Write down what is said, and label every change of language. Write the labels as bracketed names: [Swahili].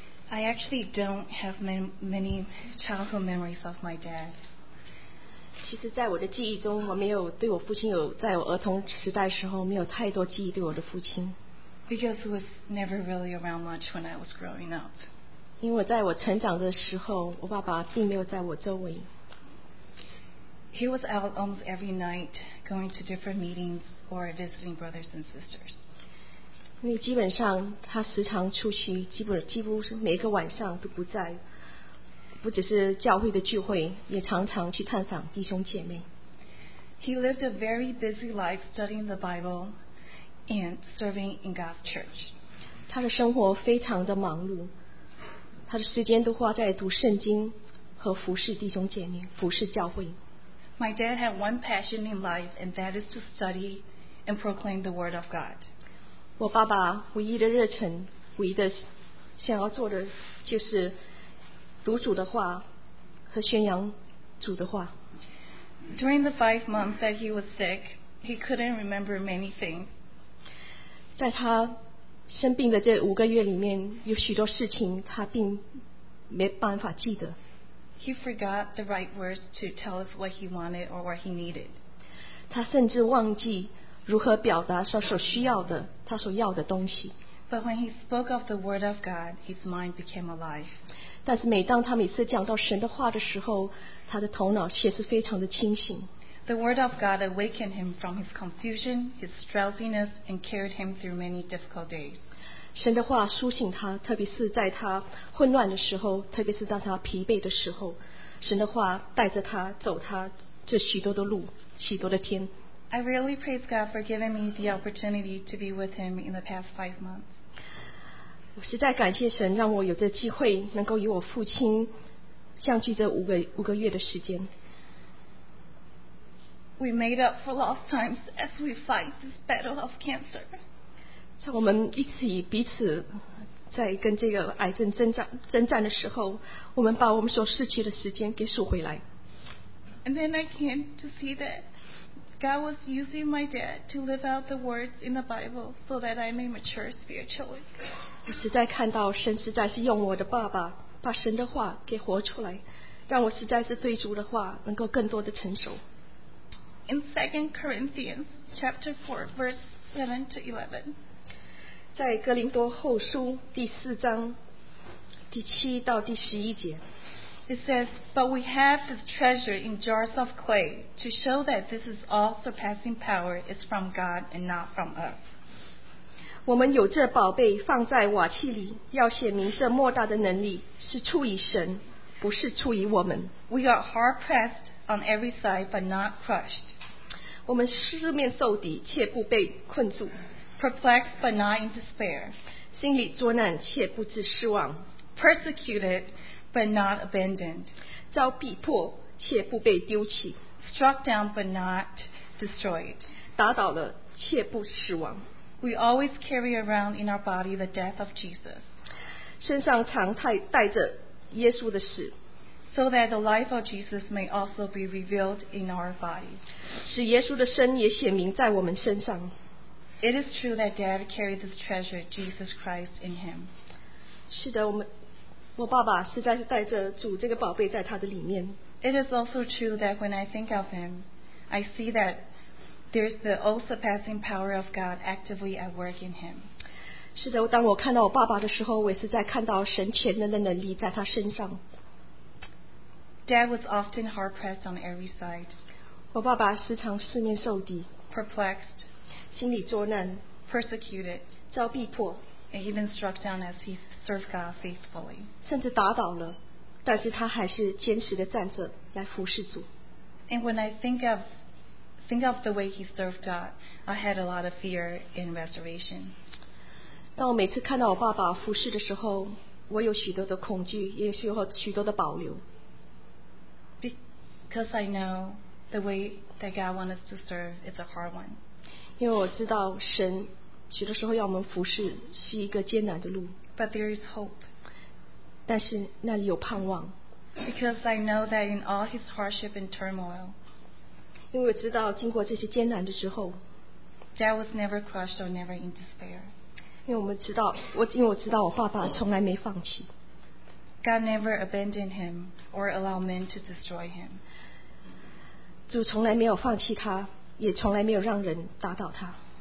[English] I actually don't have many childhood memories of my dad. [Chinese] 其实在我的记忆中，我没有对我父亲有在我儿童时代时候没有太多记忆对我的父亲。 [English] Because he was never really around much when I was growing up. [Chinese] 因为在我成长的时候，我爸爸并没有在我周围。 [English] He was out almost every night going to different meetings or visiting brothers and sisters. [Chinese] 因为基本上他时常出去，几乎每个晚上都不在，不只是教会的聚会，也常常去探访弟兄姐妹。 [English] He lived a very busy life studying the Bible and serving in God's church. [Chinese] 他的生活非常的忙碌，他的时间都花在读圣经和服侍弟兄姐妹，服侍教会。 [English] My dad had one passion in life, and that is to study and proclaim the Word of God. [Chinese] 我爸爸唯一的热忱，唯一的想要做的就是读主的话和宣扬主的话。 [English] During the 5 months that he was sick, he couldn't remember many things. [Chinese] 在他生病的这五个月里面，有许多事情他并没办法记得。 [English] He forgot the right words to tell us what he wanted or what he needed. [Chinese] 他甚至忘记如何表达他所需要的，他所要的东西。 [English] But when he spoke of the word of God, his mind became alive. [Chinese] 但是每当他每次讲到神的话的时候，他的头脑却是非常的清醒。 [English] The word of God awakened him from his confusion, his drowsiness, and carried him through many difficult days. [Chinese] 神的话苏醒他，特别是在他混乱的时候，特别是在他疲惫的时候，神的话带着他走他这许多的路，许多的天。 [English] I really praise God for giving me the opportunity to be with him in the past 5 months. [Chinese] 我实在感谢神让我有这机会能够与我父亲相聚这五个月的时间。 [English] We made up for lost times as we fight this battle of cancer. [Chinese] 在我们一起彼此在跟这个癌症征战的时候，我们把我们所失去的时间给赎回来。 [English] And then I came to see that God was using my dad to live out the words in the Bible so that I may mature spiritually. [Chinese] 我实在看到神实在是用我的爸爸把神的话给活出来，让我实在是对主的话能够更多的成熟。 [English] In 2 Corinthians chapter 4 verse 7-11. [Chinese] 在哥林多后书第四章第七到第十一节。 [English] It says, but we have this treasure in jars of clay to show that this is all surpassing power is from God and not from us. [Chinese] 我们有这宝贝放在瓦器里，要显明这莫大的能力是出于神，不是出于我们。 [English] We are hard pressed on every side, but not crushed. [Chinese] 我们四面受敌，却不被困住。 [English] Perplexed, but not in despair. [Chinese] 心里作难，却不致失望。 [English] Persecuted. But not abandoned. [Chinese] 遭逼迫却不被丢弃。 [English] Struck down but not destroyed. [Chinese] 打倒了却不死亡。 [English] We always carry around in our body the death of Jesus. [Chinese] 身上常带着耶稣的死。 [English] So that the life of Jesus may also be revealed in our body. [Chinese] 使耶稣的身也显明在我们身上。 [English] It is true that Dad carried this treasure, Jesus Christ, in him. [Chinese] 是的，我爸爸实在是带着主这个宝贝在他的里面。 [English] It is also true that when I think of him, I see that there's the all-surpassing power of God actively at work in him. [Chinese] 是的，当我看到我爸爸的时候，我也是在看到神全能的能力在他身上。 [English] Dad was often hard-pressed on every side. [Chinese] 我爸爸时常四面受敌。 [English] Perplexed. [Chinese] 心里作难。 [English] Persecuted. [Chinese] 遭逼迫。 [English] And even struck down as he served God faithfully. [Chinese] 甚至打倒了，但是他还是坚持地站着来服侍主。 [English] And when I think of the way he served God, I had a lot of fear in restoration. [Chinese] 当我每次看到我爸爸服侍的时候，我有许多的恐惧，也有许多的保留。 [English] Because I know the way that God wants us to serve is a hard one. [Chinese] 因为我知道神。许多时候要我们服侍是一个艰难的路 [English] But there is hope. [Chinese] 但是那里有盼望 [English] Because I know that in all his hardship and turmoil [Chinese] 因为我知道经过这些艰难的时候 [English] Dad was never crushed or never in despair [Chinese] 因为我知道我爸爸从来没放弃 [English] God never abandoned him or allowed men to destroy him [Chinese] 主从来没有放弃他也从来没有让人打倒他